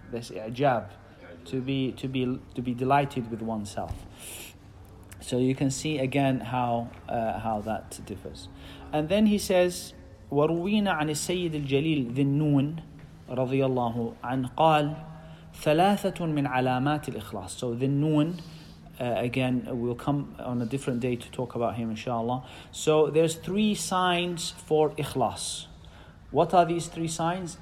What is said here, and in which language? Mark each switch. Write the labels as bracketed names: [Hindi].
[English] This ajab, to be delighted with oneself. So you can see again how that differs. And then he says, [Arabic] وَرُوِينَ عَنِ السَّيِّدِ الْجَلِيلِ ذِي النُّونِ رَضِيَ اللَّهُ عَنْ قَالَ ثَلَاثَةٌ مِنْ عَلَامَاتِ الْإِخْلَاصِ. [English] So the Noon, again, we'll come on a different day to talk about him, inshallah. So there's three signs for ikhlas. What are these three signs?